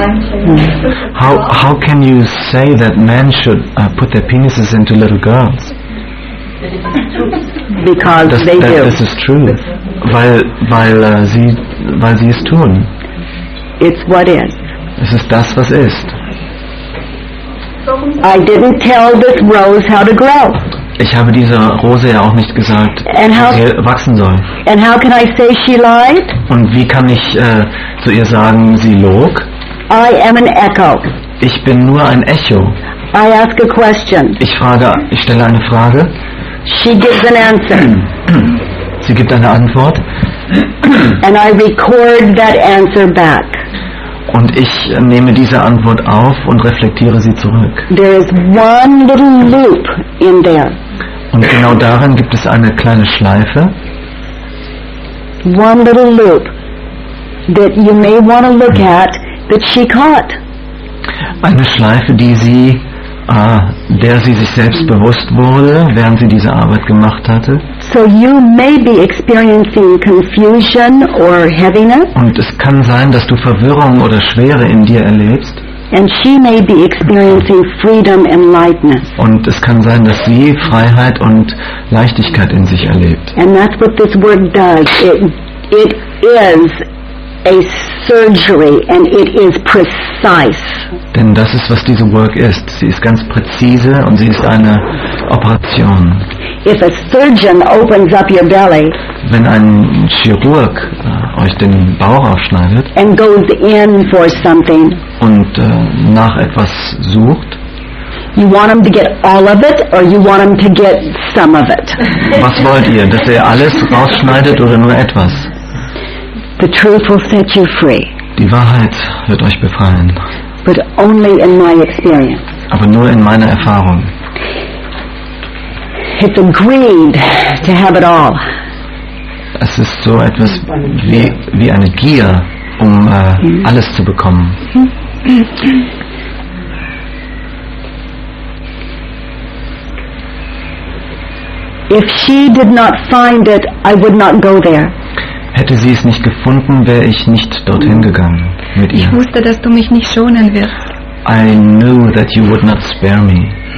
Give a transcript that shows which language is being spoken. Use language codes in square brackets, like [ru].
[en] How can you say that men should put their penises into little girls? Because [de] das, [en] they that do. This is true. [de] Weil sie es tun. [en] It's what is. [de] Es ist das, was ist. [en] I didn't tell this rose how to grow. [de] Ich habe dieser Rose ja auch nicht gesagt, wie sie wachsen soll. [en] And how can I say she lied? [de] Und wie kann ich zu ihr sagen, sie log? [en] I am an echo. [de] Ich bin nur ein Echo. [en] I ask a question. [de] Ich stelle eine Frage. [en] She gives an answer. [de] Sie gibt eine Antwort. [en] And I record that answer back. [de] Und ich nehme diese Antwort auf und reflektiere sie zurück. [en] There is one little loop in there. [de] Und genau darin gibt es eine kleine Schleife. [en] One little loop that you may want to look at that she caught. [de] Eine Schleife, die sie, der sie sich selbst bewusst wurde, während sie diese Arbeit gemacht hatte. [en] So you may be experiencing confusion or heaviness. [de] Und es kann sein, dass du Verwirrung oder Schwere in dir erlebst. [en] And she may be experiencing freedom and lightness. [de] Und es kann sein, dass sie Freiheit und Leichtigkeit in sich erlebt. [en] And that's what this word does. It is a surgery and it is precise. [de] Denn das ist, was diese Work ist. Sie ist ganz präzise und sie ist eine Operation. [en] If a surgeon opens up your belly, [de] wenn ein Chirurg euch den Bauch aufschneidet [en] and goes in for something, [de] und nach etwas sucht, [en] you want him to get all of it or you want him to get some of it? [de] Was wollt ihr, dass er alles rausschneidet oder nur etwas? [en] The truth will set you free. [de] Die Wahrheit wird euch befreien. [en] But only in my experience. [de] Aber nur in meiner Erfahrung. [en] It's a greed to have it all. [de] Es ist so etwas wie eine Gier, um alles zu bekommen. [en] If she did not find it, I would not go there. [de] Hätte sie es nicht gefunden, wäre ich nicht dorthin gegangen mit ihr. Ich wusste, dass du mich nicht schonen wirst. [en] I knew that you would not spare me.